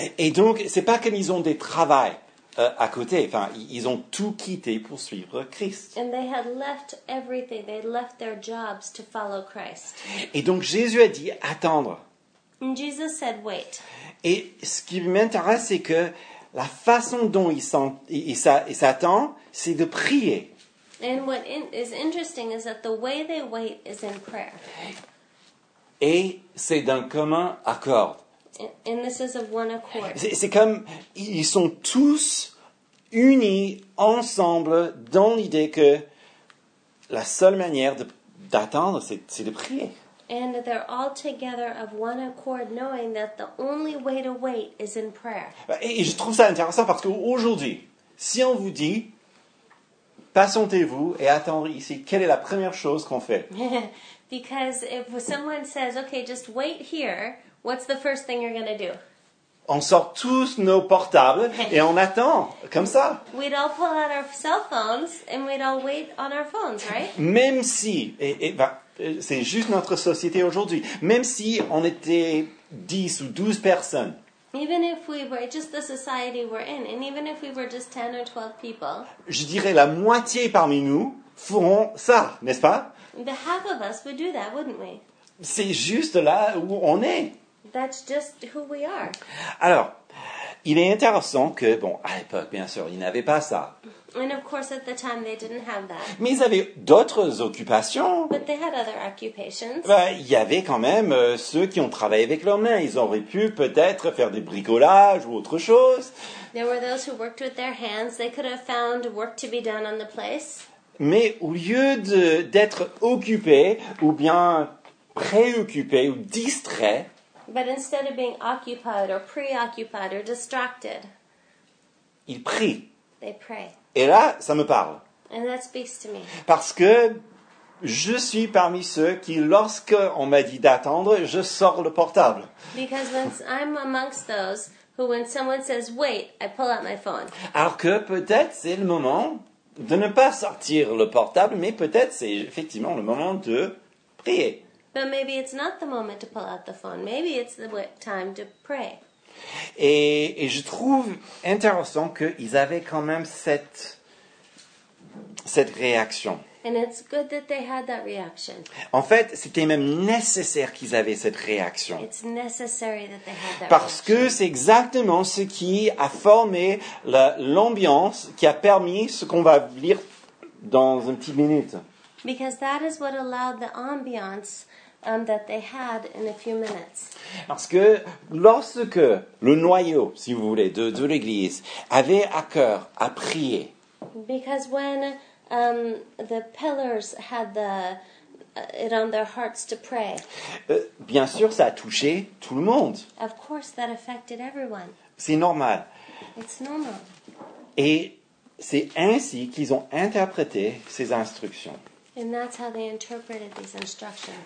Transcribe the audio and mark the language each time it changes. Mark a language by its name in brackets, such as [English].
[French] Et donc, c'est pas comme ils ont des travails à côté. Enfin, ils ont tout quitté pour suivre Christ. [English] And they had left everything. They had left their jobs to follow Christ. [French] Et donc, Jésus a dit attendre. [English] And Jesus said wait. [French] Et ce qui m'intéresse, c'est que la façon dont ils s'attendent, c'est de prier. [English] And what is interesting is that the way they wait is in prayer. [French] Et c'est d'un commun accord. [English] And this is of one accord. [French] C'est comme ils sont tous unis ensemble dans l'idée que la seule manière d'attendre, c'est de prier. [English] And they're all together of one accord, knowing that the only way to wait is in prayer. [French] Et je trouve ça intéressant parce qu'aujourd'hui, si on vous dit patientez-vous et attendez ici, quelle est la première chose qu'on fait? [English] Because if someone says, okay, just wait here, what's the first thing you're going to do? [French] On sort tous nos portables et on attend, comme ça. [English] We'd all pull out our cell phones and we'd all wait on our phones, right? [French] Même si, c'est juste notre société aujourd'hui, même si on était 10 ou 12 personnes. [English] Even if we were just the society we're in, and even if we were just 10 or 12 people. [French] Je dirais la moitié parmi nous feront ça, n'est-ce pas? [English] The half of us would do that, wouldn't we? [French] C'est juste là où on est. [English] That's just who we are. [French] Alors, il est intéressant que, bon, à l'époque, bien sûr, ils n'avaient pas ça. [English] And of course, at the time, they didn't have that. [French] Mais ils avaient d'autres occupations. [English] But they had other occupations. [French] Bah, y avait quand même ceux qui ont travaillé avec leurs mains. Ils auraient pu peut-être faire des bricolages ou autre chose. [English] There were those who worked with their hands. They could have found work to be done on the place. [French] Mais au lieu d'être occupés ou bien préoccupés ou distraits, [English] but instead of being occupied or preoccupied or distracted, [French] ils prient. [English] They pray. [French] Et là, ça me parle. [English] And that speaks to me. [French] Parce que je suis parmi ceux qui, lorsque on m'a dit d'attendre, je sors le portable. [English] Because when I'm amongst those who, when someone says wait, I pull out my phone. [French] Alors que peut-être c'est le moment de ne pas sortir le portable, mais peut-être c'est effectivement le moment de prier. [English] But maybe it's not the moment to pull out the phone. Maybe it's the time to pray. [French] Et je trouve intéressant qu'ils avaient quand même cette réaction. [English] And it's good that they had that reaction. [French] En fait, c'était même nécessaire qu'ils avaient cette réaction. [English] It's necessary that they had that [French] Parce que c'est exactement ce qui a formé l'ambiance qui a permis ce qu'on va lire dans une petite minute. [English] Because that is what allowed the ambiance that they had in a few minutes. [French] Parce que lorsque le noyau, si vous voulez, de l'église avait à cœur à prier. [English] Because when the pillars had it on their hearts to pray. [French] Bien sûr, ça a touché tout le monde. [English] Of course, that affected everyone. [French] C'est normal. [English] It's normal. [French] Et c'est ainsi qu'ils ont interprété ces instructions. [English] And that's how they interpreted these instructions.